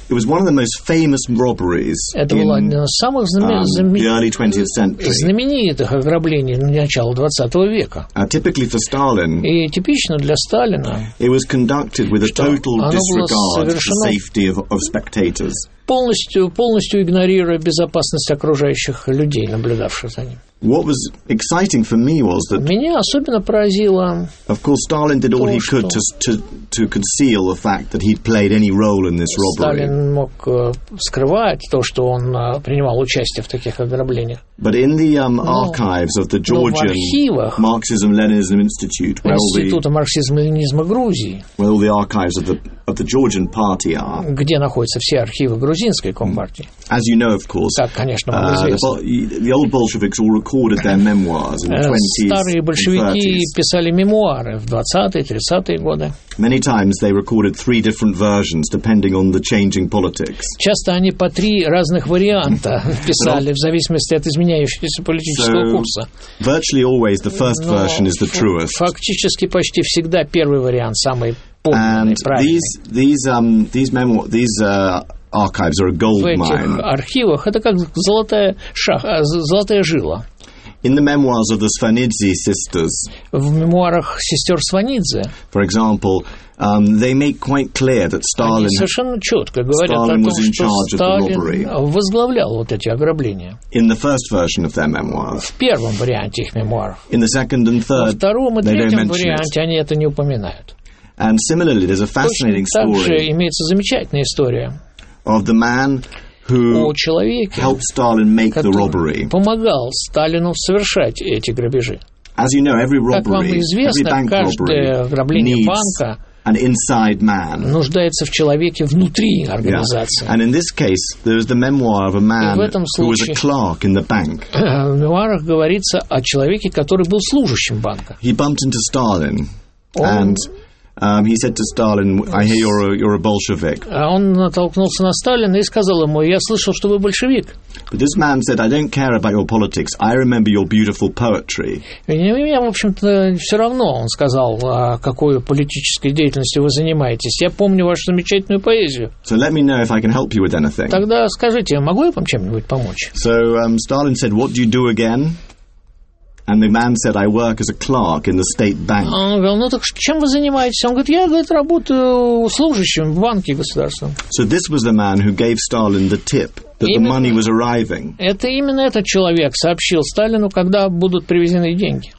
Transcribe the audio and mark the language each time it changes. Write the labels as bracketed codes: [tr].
[en] It was one of the most famous robberies in the early 20th century. [ru] Знаменитых ограблений начала 20 века. [en] Typically for Stalin. [ru] И типично для Сталина. [en] It was conducted with a total disregard for the safety of spectators. [ru] Полностью игнорируя безопасность окружающих людей, наблюдавших за ним. [en] What was exciting for me was that. [ru] Меня особенно поразило. [en] Of course, Stalin did all he could to conceal the fact that he'd played any role in this robbery. [ru] Сталин мог скрывать то, что он принимал участие в таких ограблениях. [en] But in the archives of the Georgian Marxism-Leninism Institute, where all the archives of the Georgian Party are. [ru] Где находятся все архивы грузинской компартии? [en] As you know, of course. [ru] Так, конечно, вам известно. [en] The old Bolsheviks all recorded their memoirs in the 20s. [ru] Старые большевики писали мемуары в 20-е, 30-е годы. [en] Many times they recorded three different versions, depending on the changing politics. [ru] Часто они по три разных варианта писали, в зависимости от изменяющегося политического курса. [en] Virtually always the first version is the truest. [ru] Фактически почти всегда первый вариант самый полный, [en] and [ru] правильный. [en] These archives are a gold mine. [ru] В этих архивах это как золотая жила. [en] In the memoirs of the Svanidze sisters, [ru] в мемуарах сестер Сванидзе, [en] for example, they make quite clear that Stalin, [ru] совершенно четко говорят [en] Stalin [ru] о том, [en] was in charge [ru] что Сталин [en] of the robbery. [ru] Возглавлял вот эти ограбления. [en] In the first version of their memoirs, [ru] в первом варианте их мемуаров. [en] In the second and third, [ru] во втором и третьем варианте [en] it. [ru] Они это не упоминают. [en] And similarly, there's a fascinating story. [ru] Также имеется замечательная история. [en] Of the man who helped Stalin make the robbery. [ru] Помогал Сталину совершать эти грабежи. [en] As you know, every robbery, [ru] как вам известно, [en] every bank [ru] каждое ограбление банка [en] an inside man. [ru] Нуждается в человеке внутри организации. [en] Yeah. And in this case, there is the memoir of a man who was a clerk in the bank. [ru] В мемуарах говорится о человеке, который был служащим банка. [en] He bumped into Stalin, he said to Stalin, "I hear you're a Bolshevik." [ru] А он натолкнулся на Сталина и сказал ему: "Я слышал, что вы большевик." [en] But this man said, "I don't care about your politics. I remember your beautiful poetry." [ru] Я, в общем-то, все равно, он сказал, какой политической деятельностью вы занимаетесь. Я помню вашу замечательную поэзию. [en] So let me know if I can help you with anything. [ru] Тогда скажите, могу я вам чем-нибудь помочь? [en] So Stalin said, "What do you do again?" And the man said, "I work as a clerk in the state bank." [ru] Он говорил: "Ну так чем вы занимаетесь?" Он говорит: "Я, говорит, работаю служащим в банке государственном." [en] So this was the man who gave Stalin the tip that the money was arriving. [ru] Это именно этот человек сообщил Сталину, когда будут привезены деньги.